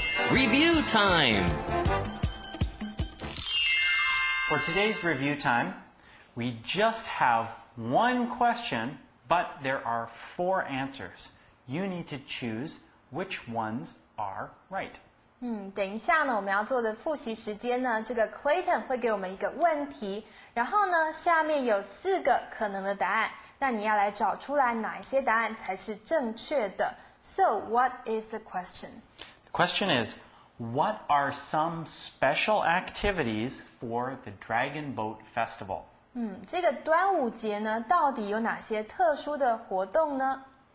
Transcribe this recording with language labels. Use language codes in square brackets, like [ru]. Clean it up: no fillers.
[en] Review time. For today's review time,We just have one question, but there are four answers. You need to choose which ones are right. [zh] 等一下呢，我们要做的复习时间呢，这个 Clayton 会给我们一个问题，然后呢，下面有四个可能的答案，那你要来找出来哪一些答案才是正确的。 [en] So, what is the question? The question is, what are some special activities for the Dragon Boat Festival? [zh] 这个端午节呢到底有哪些特殊的活动呢